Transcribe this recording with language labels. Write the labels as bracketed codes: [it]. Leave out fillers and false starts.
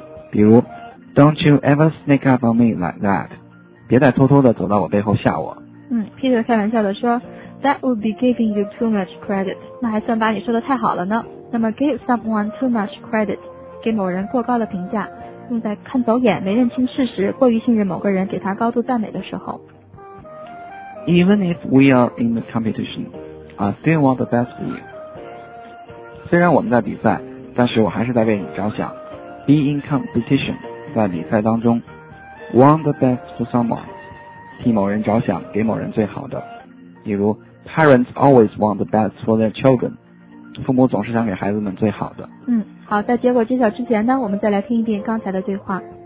[zh] 比如 [en] Don't you ever sneak up on me like that? [zh] 别再偷偷的走到我背后吓我。 [en] Peter [zh] 开玩笑的说 [en] That would be giving you too much credit, [zh] 那还算把你说的太好了呢。那么 give someone too much credit， 给某人过高的评价，用在看走眼、没认清事实、过于信任某个人、给他高度赞美的时候。 [en] Even if we are in the competition, I still want the best for you. [zh] 虽然我们在比赛，但是我还是在为你着想。 Be in competition， 在比赛当中。Want the best for someone， 替某人着想，给某人最好的。比如 [en] ，Parents always want the best for their children。 [zh] 父母总是想给孩子们最好的。好，在结果揭晓之前呢，我们再来听一遍刚才的对话。